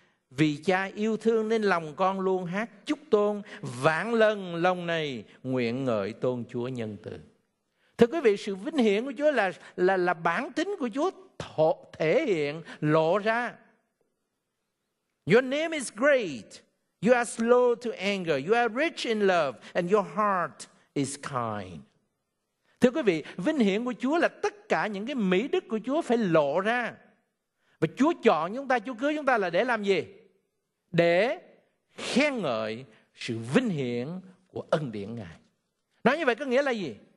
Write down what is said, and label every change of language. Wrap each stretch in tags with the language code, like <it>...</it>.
<vi>Vì cha yêu thương nên lòng con luôn hát chúc tôn, vạn lần lòng này nguyện ngợi tôn Chúa nhân từ." Thưa quý vị, sự vinh hiển của Chúa là bản tính của Chúa thể hiện, lộ ra.</vi> <en>"Your name is great. You are slow to anger, you are rich in love, and your heart is kind."</en> <vi>Thưa quý vị, vinh hiển của Chúa là tất cả những cái mỹ đức của Chúa phải lộ ra. Và Chúa chọn chúng ta, Chúa cứu chúng ta là để làm gì? Để khen ngợi sự vinh hiển của ân điển Ngài. Nói như vậy có nghĩa là gì?</vi>